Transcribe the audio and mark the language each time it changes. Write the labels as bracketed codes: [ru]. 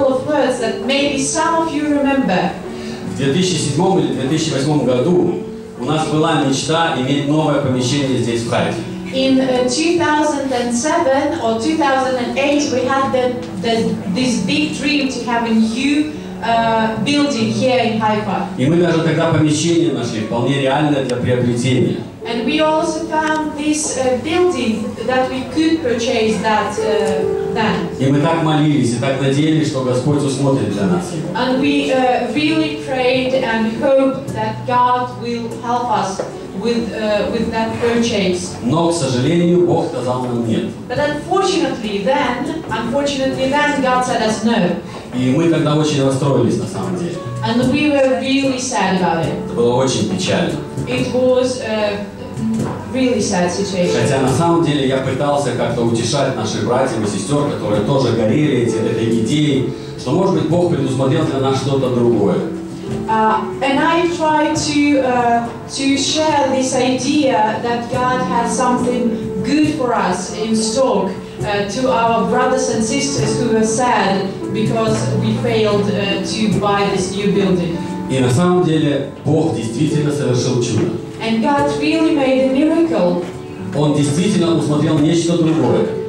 [ru] В 2007 или 2008 году у нас была мечта иметь новое помещение здесь, в Харькове. [en] In 2007 or 2008 we had this big dream to have a new building here in Haifa. [ru] И мы даже тогда помещение нашли вполне реальное для приобретения. [en] And we also found this building that we could purchase that then. [ru] И мы так молились, и так надеялись, что Господь усмотрит для нас. [en] And we really prayed and hoped that God will help us with that purchase. [ru] Но, к сожалению, Бог сказал нам нет. [en] But unfortunately then God said us no. [ru] И мы тогда очень расстроились на самом деле. [en] And we were really sad about it. [ru] Это было очень печально. [en] It was really sad situation. [ru] Хотя на самом деле я пытался как-то утешать наших братьев и сестер, которые тоже горели этой идеей, что может быть Бог предусмотрел для нас что-то другое. [en] And I tried to share this idea that God has something good for us in stock to our brothers and sisters who were sad because we failed to buy this new building. [ru] И на самом деле Бог действительно совершил чудо. [en] And God really made a miracle. [ru] Он действительно усмотрел нечто другое.